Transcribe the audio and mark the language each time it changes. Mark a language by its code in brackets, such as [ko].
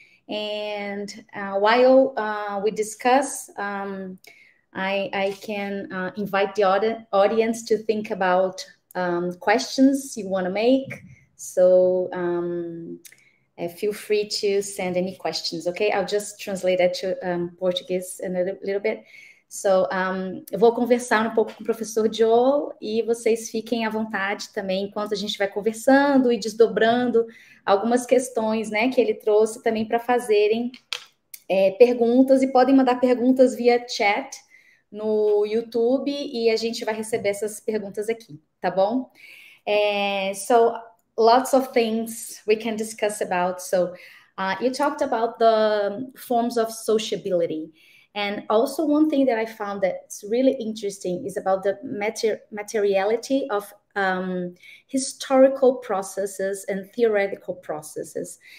[en] And while we discuss, I can invite the audience to think about questions you want to make. So feel free to send any questions, okay? I'll just translate that to Portuguese in a little bit. [pt] So eu vou conversar um pouco com o professor Joel e vocês fiquem à vontade também enquanto a gente vai conversando e desdobrando algumas questões, né, que ele trouxe também para fazerem perguntas e podem mandar perguntas via chat no YouTube, e a gente vai receber essas perguntas aqui, tá bom? [en] So, lots of things we can discuss about. So, you talked about the forms of sociability. And also one thing that I found that's really interesting is about the materiality of historical processes and theoretical processes.